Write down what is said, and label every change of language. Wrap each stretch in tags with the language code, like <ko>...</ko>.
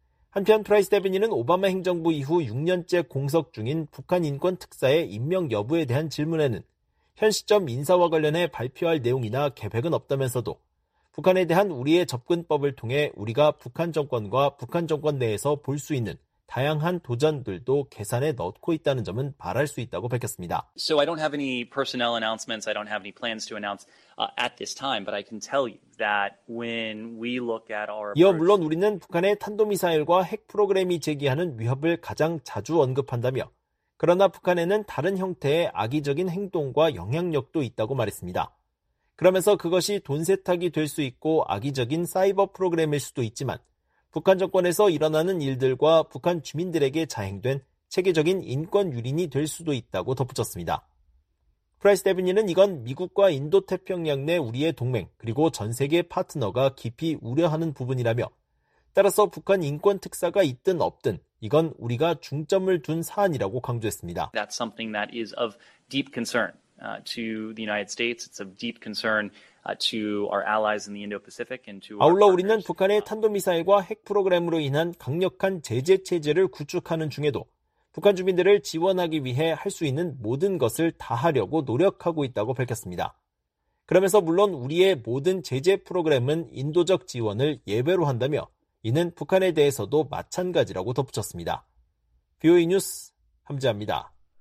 <ko>한편 프라이스 대변인은 오바마 행정부 이후 6년째 공석 중인 북한 인권 특사의 임명 여부에 대한 질문에는 현 시점 인사와 관련해 발표할 내용이나 계획은 없다면서도 북한에 대한 우리의 접근법을 통해 우리가 북한 정권과 북한 정권 내에서 볼 수 있는 다양한 도전들도 계산에 넣고 있다는 점은 말할 수 있다고 밝혔습니다.</ko> <en>So I don't have any personnel announcements. I don't have any plans to announce at this time, but I can tell you that when we look at our</en> <ko>이어 물론 우리는 북한의 탄도미사일과 핵 프로그램이 제기하는 위협을 가장 자주 언급한다며 그러나 북한에는 다른 형태의 악의적인 행동과 영향력도 있다고 말했습니다. 그러면서 그것이 돈 세탁이 될 수 있고 악의적인 사이버 프로그램일 수도 있지만 북한 정권에서 일어나는 일들과 북한 주민들에게 자행된 체계적인 인권 유린이 될 수도 있다고 덧붙였습니다. 프라이스 대변인은 이건 미국과 인도태평양 내 우리의 동맹 그리고 전 세계 파트너가 깊이 우려하는 부분이라며 따라서 북한 인권 특사가 있든 없든 이건 우리가 중점을 둔 사안이라고 강조했습니다.</ko> <en>That's something that is of deep concern to the United States. It's of deep concern to our allies in the Indo-Pacific and to our</en> <ko>아울러 우리는 북한의 탄도미사일과 핵 프로그램으로 인한 강력한 제재 체제를 구축하는 중에도 북한 주민들을 지원하기 위해 할 수 있는 모든 것을 다하려고 노력하고 있다고 밝혔습니다. 그러면서 물론 우리의 모든 제재 프로그램은 인도적 지원을 예외로 한다며 이는 북한에 대해서도 마찬가지라고 덧붙였습니다. VOA 뉴스 함지아입니다.</ko>